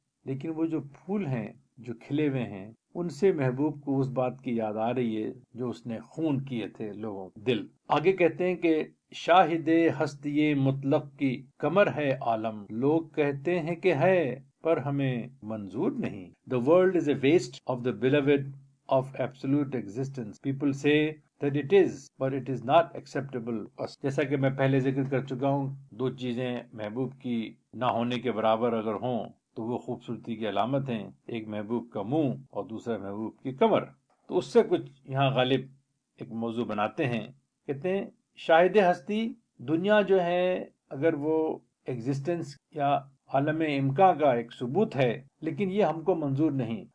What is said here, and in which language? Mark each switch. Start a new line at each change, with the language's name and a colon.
Urdu: لیکن وہ جو پھول ہیں جو کھلے ہوئے ہیں ان سے محبوب کو اس بات کی یاد آ رہی ہے جو اس نے خون کیے تھے لوگوں دل. آگے کہتے ہیں کہ شاہد ہستی مطلق کی کمر ہے عالم, لوگ کہتے ہیں کہ ہے پر ہمیں منظور نہیں.
English: The world is a waste of the beloved of absolute existence. People say that it is, but it is not acceptable.
Urdu: جیسا کہ میں پہلے ذکر کر چکا ہوں, دو چیزیں محبوب کی نہ ہونے کے برابر اگر ہوں تو وہ خوبصورتی کی علامت ہیں, ایک محبوب کا منہ اور دوسرا محبوب کی کمر. تو اس سے کچھ یہاں غالب ایک موضوع بناتے ہیں, کہتے ہیں شاہد ہستی دنیا جو ہے اگر وہ ایگزسٹنس یا عالم امکان کا ایک ثبوت ہے لیکن یہ ہم کو منظور نہیں.